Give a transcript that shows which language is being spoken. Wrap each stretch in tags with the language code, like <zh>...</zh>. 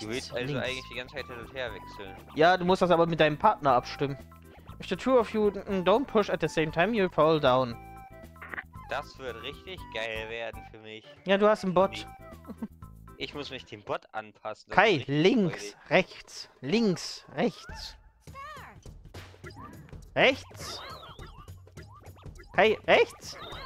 <de>Du willst also links. Eigentlich die ganze Zeit hin und her wechseln. Ja, du musst das aber mit deinem Partner abstimmen.</de> <en>If the two of you don't push at the same time, you fall down.</en> <de>Das wird richtig geil werden für mich. Ja, du hast einen Bot. Ich muss mich dem Bot anpassen. Kai, links, rechts, links, rechts. Rechts. Kai, rechts.</de>